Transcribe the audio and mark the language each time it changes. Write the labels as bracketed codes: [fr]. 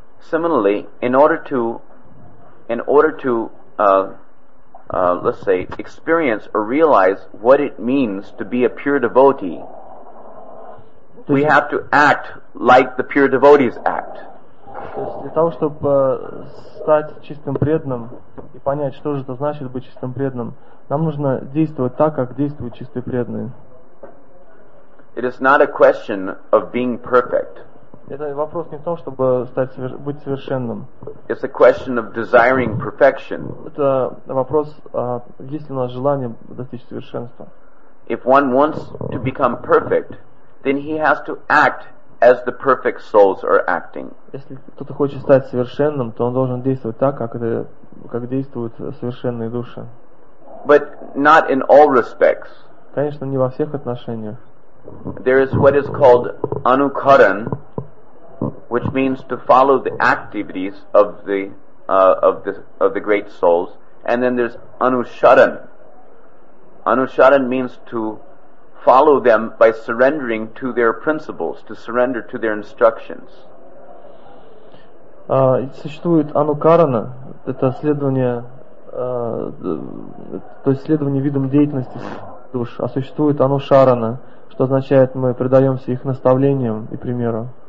[en] Similarly, in order to let's say experience or realize what it means to be a pure devotee, we have to act like the pure devotees act. [ru] То есть для того, чтобы стать чистым преданным и понять, что же это значит быть чистым преданным, нам нужно действовать так, как действуют чистые преданные. [en] It is not a question of being perfect. [ru] Это вопрос не в том, чтобы стать быть совершенным. [en] It's a question of desiring perfection. [ru] Это вопрос, есть ли у нас желание достичь совершенства. [en] If one wants to become perfect, then he has to act as the perfect souls are acting. [ru] Если кто-то хочет стать совершенным, то он должен действовать так, как действуют совершенные души. [en] But not in all respects. [ru] Конечно, не во всех отношениях. [en] There is what is called anukaran, which means to follow the activities of the great souls, and then there's anushadan. Anushadan means to follow them by surrendering to their principles, to surrender to their instructions. [ru] Существует анукарана, это следование, то есть следование видам деятельности душ, а существует анушарана, что означает мы предаемся их наставлениям и примеру.